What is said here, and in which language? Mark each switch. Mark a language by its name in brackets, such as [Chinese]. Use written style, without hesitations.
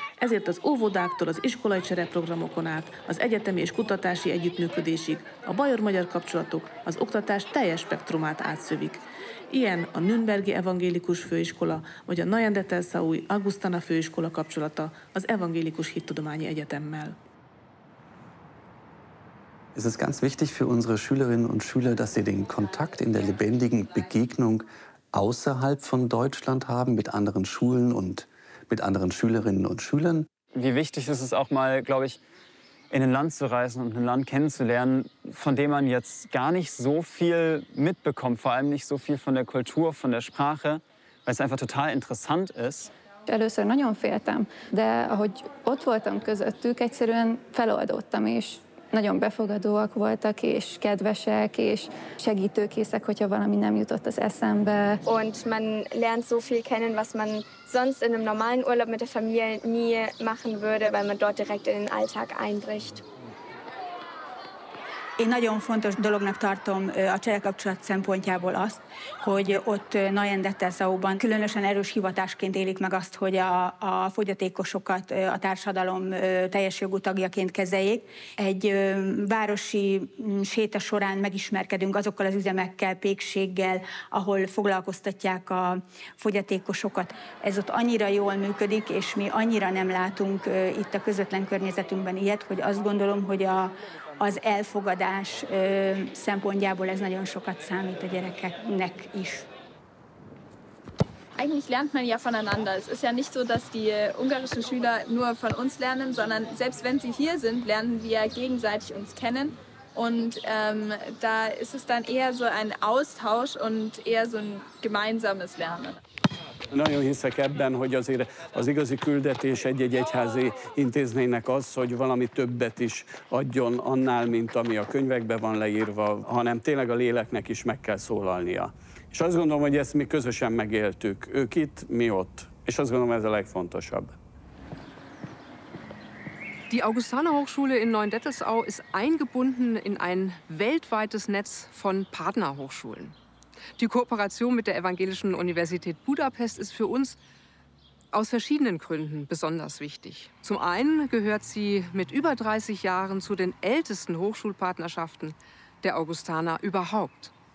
[Hungarian] Ezért az óvodáktól az iskolai csereprogramokon át, az egyetemi és kutatási együttműködésig a bajor-magyar kapcsolatok az oktatás teljes spektrumát átszövik. Ilyen a Nürnbergi Evangélikus Főiskola, vagy a Neuendettelszaúi Augustana Főiskola kapcsolata az Evangélikus Hittudományi Egyetemmel. [German] Es ist ganz wichtig für unsere Schülerinnen und Schüler, dass sie den Kontakt in der lebendigen Begegnung außerhalb von Deutschland haben, mit anderen Schulen und mit anderen Schülerinnen und Schülern. Wie wichtig ist es auch mal, glaube ich, in ein Land zu reisen und ein Land kennenzulernen, von dem man jetzt gar nicht so viel mitbekommt, vor allem nicht so viel von der Kultur, von der Sprache, weil es einfach total interessant ist. [Hungarian] Először nagyon féltem, de ahogy ott voltam közöttük, egyszerűen feloldottam is. Nagyon befogadóak voltak, és kedvesek, és segítőkészek, hogyha valami nem jutott az eszembe. [German] Und man lernt so viel kennen, was man sonst in einem normalen Urlaub mit der Familie nie machen würde, weil man dort direkt in den Alltag einbricht. [Hungarian] Én nagyon fontos dolognak tartom a cserekapcsolat szempontjából azt, hogy ott Neuendettelszaúban különösen erős hivatásként élik meg azt, hogy a fogyatékosokat a társadalom teljes jogú tagjaként kezeljék. Egy városi séta során megismerkedünk azokkal az üzemekkel, pékséggel, ahol foglalkoztatják a fogyatékosokat. Ez ott annyira jól működik, és mi annyira nem látunk itt a közvetlen környezetünkben ilyet, hogy azt gondolom, hogy az elfogadás szempontjából ez nagyon sokat számít a gyerekeknek is. [German] Eigentlich lernt man ja voneinander. Es ist ja nicht so, dass die ungarischen Schüler nur von uns lernen, sondern selbst wenn sie hier sind, lernen wir gegenseitig uns kennen. Und da ist es dann eher so ein Austausch und eher so ein gemeinsames Lernen. [Hungarian] Nagyon hiszek ebben, hogy azért az igazi küldetés egy-egy egyházi intézménynek az, hogy valami többet is adjon annál, mint ami a könyvekben van leírva, hanem tényleg a léleknek is meg kell szólalnia. És azt gondolom, hogy ezt mi közösen megéltük. Ők itt, mi ott. És azt gondolom, ez a legfontosabb. [German] Die Augustaner-Hochschule in Neuendettelsau ist eingebunden in ein weltweites Netz von Partnerhochschulen. Die Kooperation mit der Evangelischen Universität Budapest ist für uns aus verschiedenen Gründen besonders wichtig. Zum einen gehört sie mit über 30 Jahren zu den ältesten Hochschulpartnerschaften der Augustaner überhaupt.